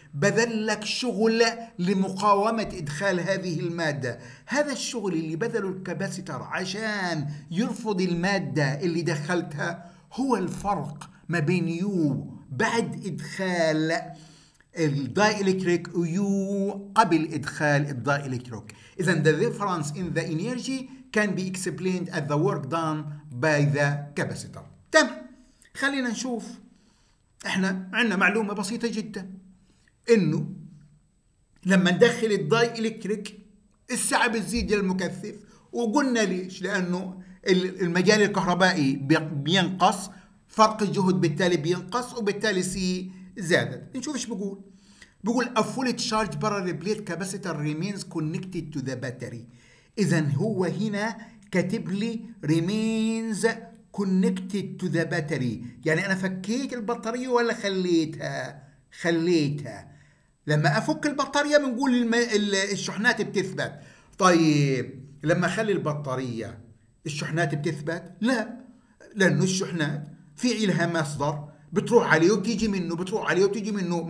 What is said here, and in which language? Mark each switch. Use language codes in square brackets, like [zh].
[ar] بذل لك شغل لمقاومة إدخال هذه المادة. هذا الشغل اللي بذله الكاباسيتر عشان يرفض المادة اللي دخلتها هو الفرق ما بين يو بعد إدخال الدايلكتريك ويو قبل إدخال الدايلكتريك. إذا [en] the difference in the energy can be explained at the work done by the capacitor. [ar] تم. خلينا نشوف. إحنا عندنا معلومة بسيطة جدا إنه لما ندخل الضاي إلكتريك السعة بتزيد للمكثف، وقلنا ليش؟ لأنه المجال الكهربائي بينقص، فرق الجهد بالتالي بينقص، وبالتالي سي زادت. نشوف إيش بقول. بقول [en] a fully charged parallel plate capacitor remains connected to the battery. [ar] إذا هو هنا كتب لي [en] remains connected to the battery، [ar] يعني أنا فكيت البطارية ولا خليتها؟ خليتها. لما أفك البطارية بنقول الشحنات بتثبت. طيب لما أخلي البطارية الشحنات بتثبت؟ لا، لأنه الشحنات في إلها مصدر بتروح عليه وتيجي منه، بتروح عليه وتيجي منه.